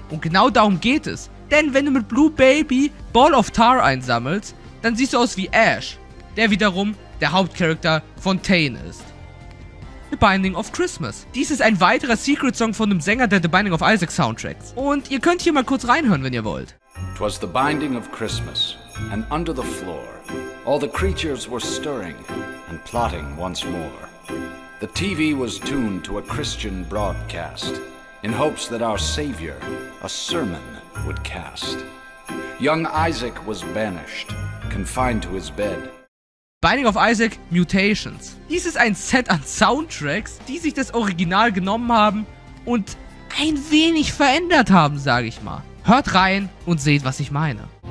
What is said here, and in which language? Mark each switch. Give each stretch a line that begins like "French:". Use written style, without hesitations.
German: Und genau darum geht es. Denn wenn du mit Blue Baby Ball of Tar einsammelst, dann siehst du aus wie Ash, der wiederum der Hauptcharakter von Tane ist. The Binding of Christmas. Dies ist ein weiterer Secret-Song von dem Sänger der The Binding of Isaac Soundtracks. Und ihr könnt hier mal kurz reinhören, wenn ihr wollt.
English: "'Twas the binding of Christmas, and under the floor, all the creatures were stirring and plotting once more. The TV was tuned to a Christian broadcast, in hopes that our Savior a sermon would cast. Young Isaac was banished, confined to his bed." Binding of Isaac Mutations.
German: Dies ist ein Set an Soundtracks, die sich das Original genommen haben und ein wenig verändert haben, sage ich mal. Hört rein und seht, was ich meine.